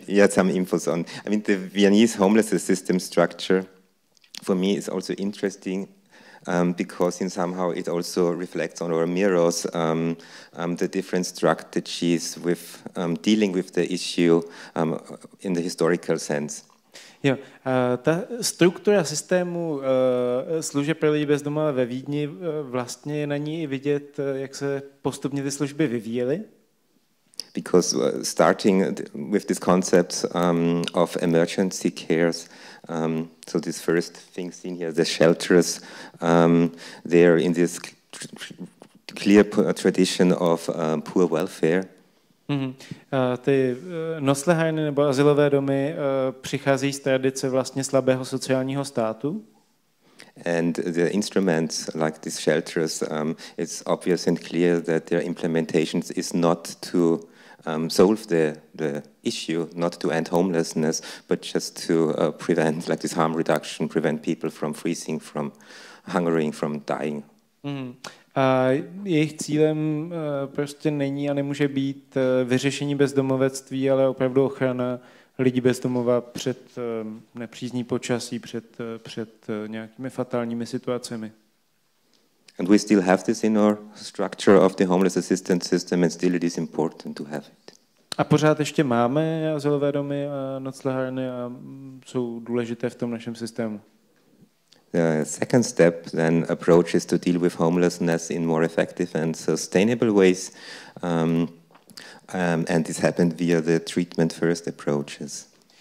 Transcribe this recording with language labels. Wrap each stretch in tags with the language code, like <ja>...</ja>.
<en>Some infos on, I mean, the Viennese homeless system structure for me is also interesting because in somehow it also reflects on or mirrors the different strategies with dealing with the issue in the historical sense.</en> <cs>Jo, ta struktura systému služeb pro lidi bez domova ve Vídni, vlastně je na ní i vidět, jak se postupně ty služby vyvíjely.</cs> <en>Because starting with this concept of emergency cares, so this first thing seen here, the shelters, they're in this clear tradition of poor welfare. Mm-hmm.</en> <cs>Ty noslehárny nebo azylové domy přichází z tradice vlastně slabého sociálního státu.</cs> <en>And the instruments like these shelters, it's obvious and clear that their implementation is not to solve the issue, not to end homelessness, but just to prevent, like this harm reduction, prevent people from freezing, from hungering, from dying. Mm.</en> <cs>A jejich cílem prostě není a nemůže být vyřešení bezdomovectví, ale opravdu ochrana lidí bezdomova před nepřízní počasí, před nějakými fatálními situacemi.</cs> <en>And we still have this in our structure of the homeless assistance system, and still it is important to have it.</en> <cs>A pořád ještě máme azylové domy a noclehárny a jsou důležité v tom našem systému.</cs> <en>The second step then approaches to deal with homelessness in more effective and sustainable ways, and this happened via the treatment first approaches.</en>